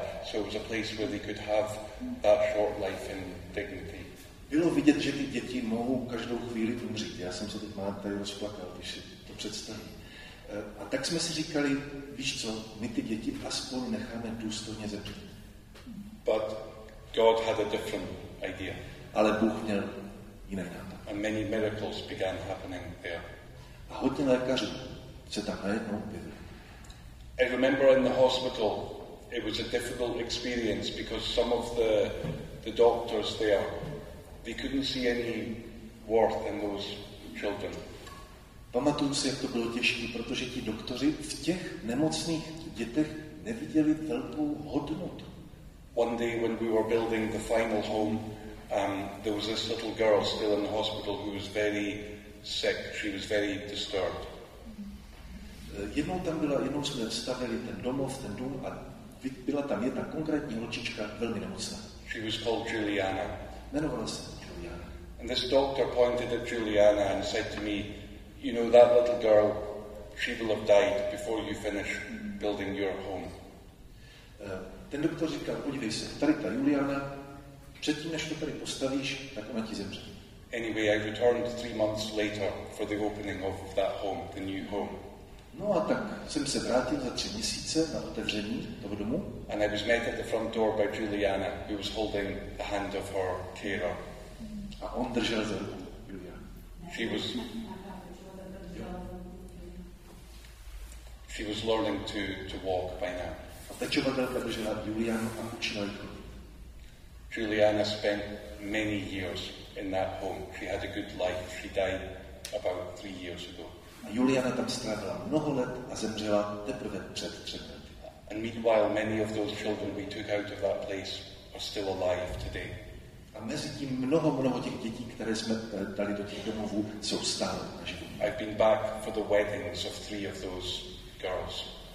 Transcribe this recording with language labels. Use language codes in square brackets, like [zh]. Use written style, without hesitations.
[en] So it was a place where they could have that short life in dignity. [cs] Bylo vidět, že ty děti mohou každou chvíli umřít. Já jsem se teď mám tady rozplakal, když si to představím. A tak jsme si říkali, víš co, my ty děti aspoň necháme důstojně zemřít. [en] But God had a different idea. [cs] Ale Bůh měl jiné nápad. [en] And many miracles began happening there. [cs] A hodně lékařů se tam najednou objevilo. [en] I remember in the hospital it was a difficult experience because some of the doctors there, they couldn't see any worth in those children. [cs] Pamatuju si, jak to bylo těžké, protože ti doktoři v těch nemocných dětech neviděli velkou hodnotu. [en] One day when we were building the final home, there was this little girl still in the hospital who was very sick. She was very disturbed. [cs] Jednou jsme stavěli ten domov, ten dům, a byla tam jedna konkrétní holčička, velmi nemocná. [en] She was called Juliana. [cs] Jmenovala se Juliana. [en] And this doctor pointed at Juliana and said to me, you know that little girl, she will have died before you finish building your home. [cs] Ten doktor říkal, podívej se, tady ta Juliana, předtím, než to tady postavíš, tak ona ti zemře. [en] Anyway, I returned 3 months later for the opening of that home, the new home. [cs] No a tak jsem se vrátil za 3 měsíce na otevření toho domu. [en] And I was met at the front door by Juliana, who was holding the hand of her carer. [cs] A on držel za ruku Juliana. [en] She was learning to walk by now. [cs] A pečovatelka držela Juliana a učila ji. [en] Juliana spent many years in that home. She had a good life. She died about 3 years ago. [cs] A Juliana tam strávila mnoho let a zemřela teprve před 3 lety. [en] And meanwhile, many of those children we took out of that place are still alive today. [cs] A mezi tím mnoho těch dětí, které jsme dali do těch domovů, jsou stále naživu. [en] I've been back for the weddings of 3 of those girls.